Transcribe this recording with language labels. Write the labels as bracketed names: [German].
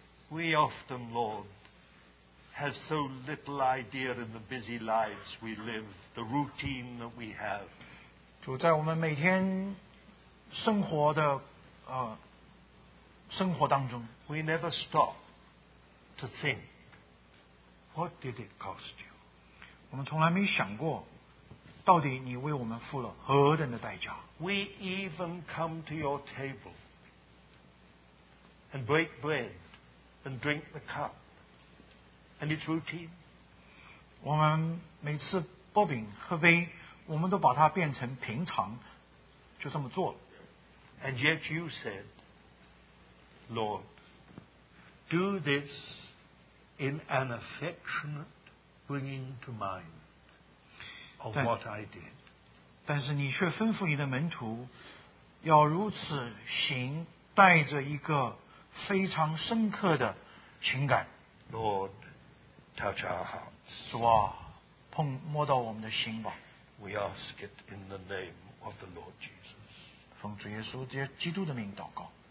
[English] We often, LordHave so little idea in the busy lives we live, the routine that we have. [Chinese] 主在我们每天生活的生活当中 [English] ，we never stop to think, what did it cost you? [Chinese] 我们从来没想过，到底你为我们付了何等的代价 [English] ？We even come to your table and break bread and drink the cup. And it's routine. [Chinese] 我们每次擘饼喝杯，我们都把它变成平常，就这么做了。 [English] And yet you said, Lord, do this in an affectionate bringing to mind of what I did. [Chinese] 但是你却吩咐你的门徒要如此行，带着一个非常深刻的情感。 [English] Lord. Touch our hearts. [Chinese] 主啊，碰摸到我们的心吧。 [English] We ask it in the name of the Lord Jesus. [Chinese] 奉主耶稣基督的名祷告。